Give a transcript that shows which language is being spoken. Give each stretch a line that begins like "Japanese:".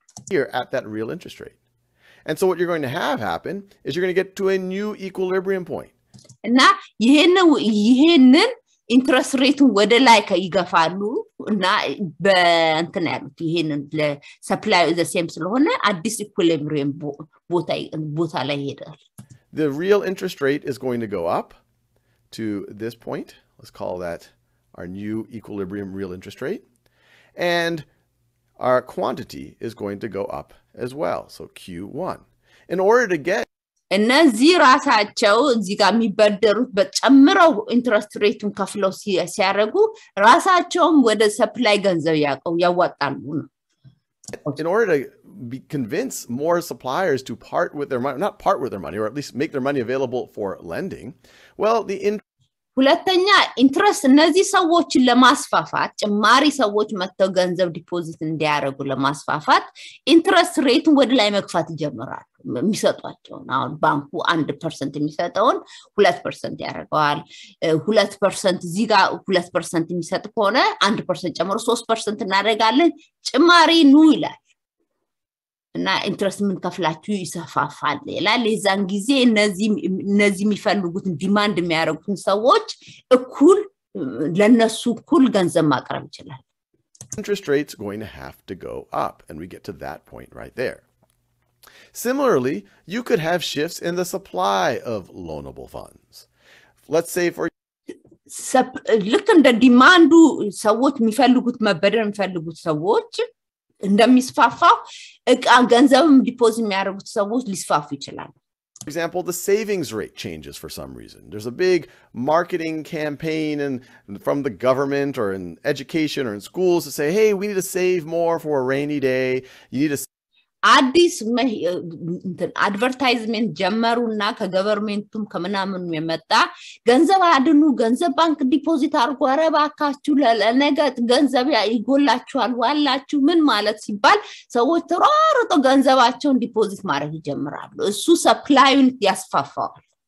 English: here at that real interest rate and so what you're going to have happen is you're going to get to a new equilibrium point
Amharic: እና ይሄንን ኢንትረስት ሬቱ ወደ ላይ ከይገፋሉ እና በእንትን ያሉት ይሄንን ለሰፕላይ ዘ ሴም ስለሆነ አዲስ ኢኩሊብሪየም ቦታ ላይ ይሄዳል።
English: The real interest rate is going to go up to this point. Let's call that our new equilibrium real interest rate. And our quantity is going to go up as well. So Q1. In order to get...
Amharic: እነዚህ ራሳቸው እዚህ ጋር የሚበደሩት በጨምረው ኢንትረስት ሬቱን ከፍለው ሲያደርጉ ራሳቸውም ወደ ሰፕላይ ገንዘብ ያዋጣሉ ነው።
English: In order to convince more suppliers to part with their money, not part with their money, or at least make their money available for lending, well, the
Amharic: ሁለተኛ ኢንትረስት እነዚህ ሰዎች ለማስፋፋት ጭማሪ ሰዎች መተው ገንዘብ ዲፖዚት እንዲያደርጉ ለማስፋፋት ኢንትረስት ሬቱን ወደ ላይ መግፋት ይጀምራሉ። የሚሰጧቸውን አሁን ባንኩ 1% የሚሰጠውን 2% ያደርገዋል። 2% እዚህ ጋር 2% የሚሰጥ ከሆነ 1% ጨምሮ 3% እናደርጋለን። ጭማሪ ኑ ይላል። እና ኢንትረስት የምንከፍላችሁ ይሰፋፋል ይላል። የዛን ጊዜ እነዚህ የሚፈልጉትን ዲማንድ የሚያደርጉትን ሰዎች እኩል ለነሱ እኩል ገንዘብ ማቅረብ ይችላል።
English: Interest rates going to have to go up, and we get to that point right there. Similarly, you could have shifts in the supply of loanable funds. Let's say for
Amharic: ልክ እንደ ዲማንዱ ሰዎች የሚፈልጉት መበደር የሚፈልጉት ሰዎች እንደሚስፋፋው እቃ ገንዘብም ዲፖዚት የሚያደርጉት ሰዎች ሊስፋፉ ይችላል።
English: For example, the savings rate changes for some reason. There's a big marketing campaign and from the government or in education or in schools to say, hey, we need to save more for a rainy day. You need to...
Amharic: አዲስ አድቨርታይዝመንት ጀመሩና ከገቨርንመንቱም ከምናምኑ የመጣ ገንዘብ አድኑ፣ ገንዘብ ባንክ ዲፖዚት አድርጉ፣ ኧረ እባካችሁ ለነገ ገንዘብ ይጎላችኋል፣ ዋላችሁ ምን ማለት ሲባል ሰዎች ተሯሩጦ ገንዘባቸውን ዲፖዚት ማድረግ ይጀምራሉ። እሱ ሰፕላዩን ያስፋፋዋል።